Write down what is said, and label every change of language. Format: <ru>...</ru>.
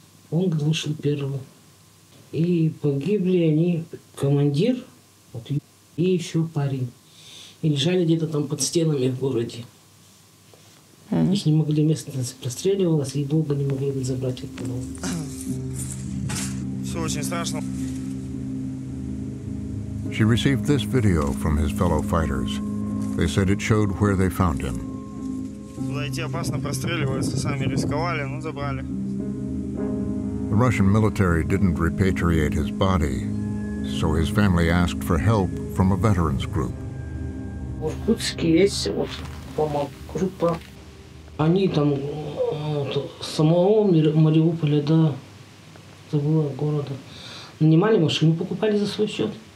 <ru>Он вышел первым. И погибли они, командир, и еще парень. И лежали где-то там под стенами в городе. Их не могли местно простреливалось, и долго не могли забрать их домой. Все очень страшно.</ru> <en>She received this video from his fellow fighters. They said it showed where they found him.</en> <ru>Туда идти опасно, простреливаются, сами рисковали, но забрали.</ru> <en>The Russian military didn't repatriate his body, so his family asked for help from a veterans group.</en> <ru>В Иркутске есть вот, по-моему, группа. Они там вот, самого Мариуполя, да, забыла города, нанимали машину, покупали за свой счет.</ru>